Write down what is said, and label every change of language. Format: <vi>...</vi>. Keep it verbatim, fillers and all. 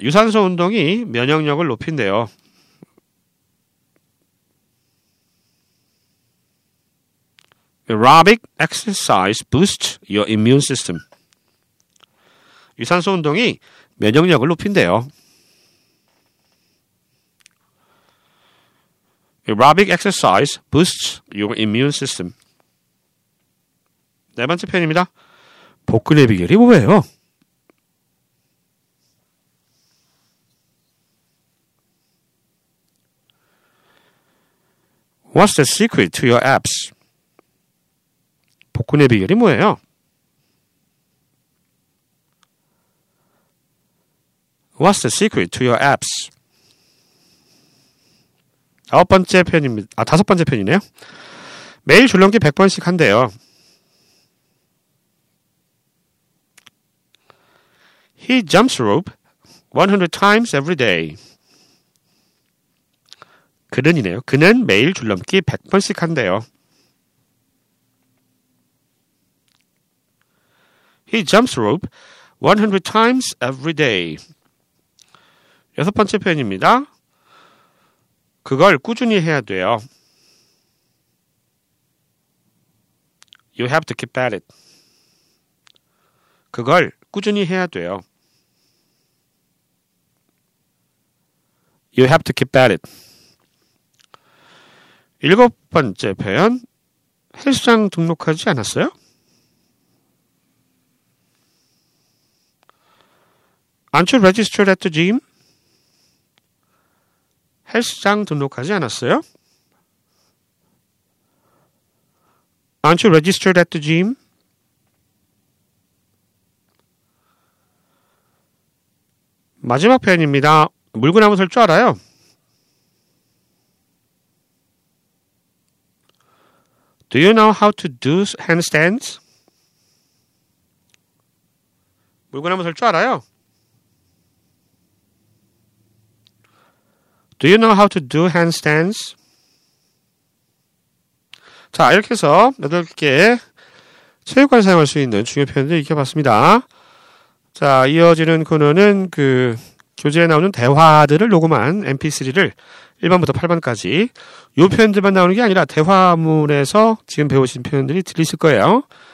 <ko>유산소 운동이 면역력을 높인대요.</ko> <en>Aerobic exercise boosts your immune system.</en> <ko>유산소 운동이 면역력을 높인대요.</ko> <en>Aerobic exercise boosts your immune system.</en> <ko>네 번째 표현입니다. 복근의 비결이 뭐예요?</ko> <en>What's the secret to your abs?</en> <ko>복근의 비결이 뭐예요?</ko> <en>What's the secret to your abs?</en> <ko>아홉 번째 표현입니다. 아, 다섯 번째 표현이네요. 매일 줄넘기 백 번씩 한대요.</ko> <en>He jumps rope one hundred times every day.</en> <ko>그는이네요. 그는 매일 줄넘기 백 번씩 한대요.</ko> <en>He jumps rope one hundred times every day.</en> <ko>여섯 번째 표현입니다. 그걸 꾸준히 해야 돼요.</ko> <en>You have to keep at it.</en> <ko>그걸 꾸준히 해야 돼요.</ko> <en>You have to keep at it.</en> <ko>일곱 번째 표현. 헬스장 등록하지 않았어요?</ko> <en>Aren't you registered at the gym?</en> <ko>헬스장 등록하지 않았어요?</ko> <en>Aren't you registered at the gym?</en> <ko>마지막 표현입니다. 물구나무 설 줄 알아요?</ko> <en>Do you know how to do handstands?</en> <ko>물구나무 설 줄 알아요?</ko> <en>Do you know how to do handstands?</en> <ko>자, 이렇게 해서 여덟 개의 체육관을 사용할 수 있는 중요 표현들을 익혀봤습니다. 자, 이어지는 코너는 그 교재에 나오는 대화들을 녹음한 엠피쓰리를 일 번부터 팔 번까지 요 표현들만 나오는 게 아니라 대화문에서 지금 배우신 표현들이 들리실 거예요.</ko>